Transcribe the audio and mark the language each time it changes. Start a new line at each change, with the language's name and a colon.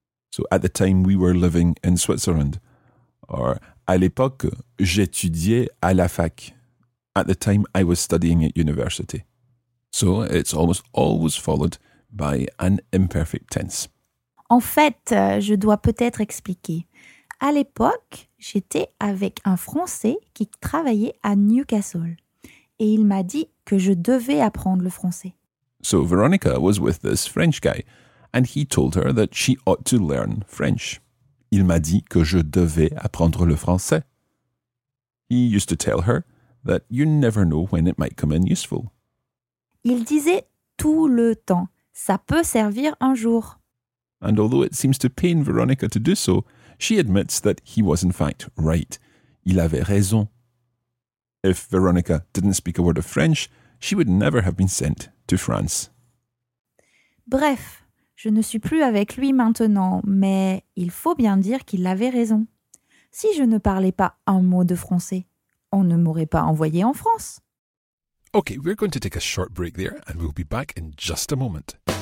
English: So, at the time, we were living in Switzerland. Or,
French: à l'époque, j'étudiais à la fac.
English: At the time, I was studying at university. So, it's almost always followed by an imperfect tense.
French: En fait, je dois peut-être expliquer. À l'époque, j'étais avec un Français qui travaillait à Newcastle. Et il m'a dit que je devais apprendre le français.
English: So Veronica was with this French guy, and he told her that she ought to learn French.
French: Il m'a dit que je devais apprendre le français.
English: He used to tell her that you never know when it might come in useful.
French: Il disait tout le temps, Ça peut servir un jour.
English: And although it seems to pain Veronica to do so, she admits that he was in fact right.
French: Il avait raison.
English: If Veronica didn't speak a word of French, she would never have been sent to France.
French: Bref, je ne suis plus avec lui maintenant, mais il faut bien dire qu'il avait raison. Si je ne parlais pas un mot de français, on ne m'aurait pas envoyé en France.
English: Okay, we're going to take a short break there and we'll be back in just a moment.